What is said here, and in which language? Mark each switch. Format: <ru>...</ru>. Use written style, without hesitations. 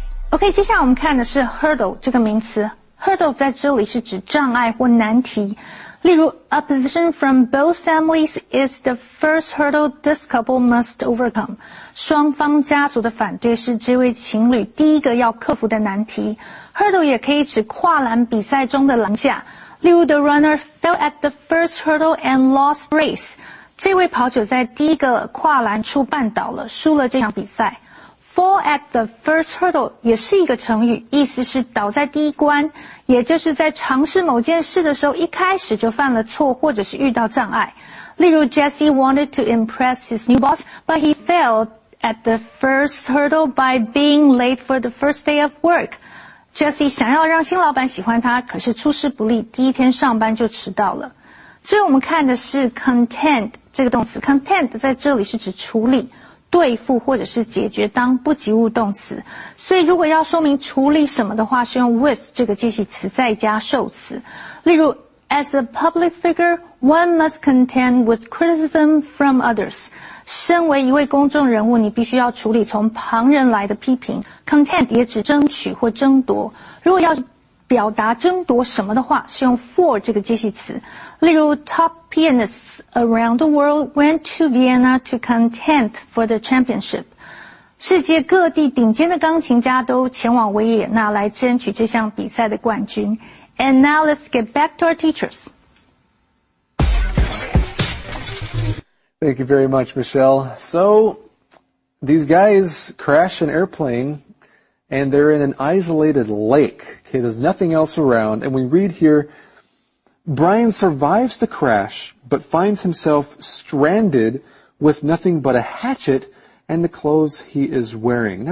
<zh>OK, 接下来我们看的是 hurdle 这个名词。hurdle 在这里是指障碍或难题。例如</zh> <en>,opposition from both families is the first hurdle this couple must overcome.</en> <zh>双方家族的反对是这位情侣第一个要克服的难题。 hurdle 也可以指跨栏比赛中的栏架。例如</zh> <en>,the runner fell at the first hurdle and lost race.</en> <zh>这位跑者在第一个跨栏处绊倒了输了这场比赛。</zh> <en>Fall at the first hurdle</en> <zh>也是一个成语，意思是倒在第一关，也就是在尝试某件事的时候一开始就犯了错或者是遇到障碍。例如</zh> <en>Jesse wanted to impress his new boss, but he failed at the first hurdle by being late for the first day of work.</en> <zh>Jesse 想要让新老板喜欢他，可是出师不利，第一天上班就迟到了。所以我们看的是 contend 这个动词， contend 在这里是指处理。对付或者是解决当不及物动词，所以如果要说明处理什么的话，是用 with 这个介系词再加受词。例如</zh> <en>，As a public figure, one must contend with criticism from others.</en> <zh>身为一位公众人物，你必须要处理从旁人来的批评。Contend 也指争取或争夺。如果要表达争夺什么的话是用 for 这个介系词。例如</zh> <en>top pianists around the world went to Vienna to contend for the championship.</en> <zh>世界各地顶尖的钢琴家都前往维也纳来争取这项比赛的冠军。</zh> <en>And now let's get back to our teachers. Thank you very much, Michelle. So, these guys crash an airplane and they're in an isolated lake. Okay, there's nothing else around. And we read here, Brian survives the crash but finds himself stranded with nothing but a hatchet and the clothes he is wearing.</en>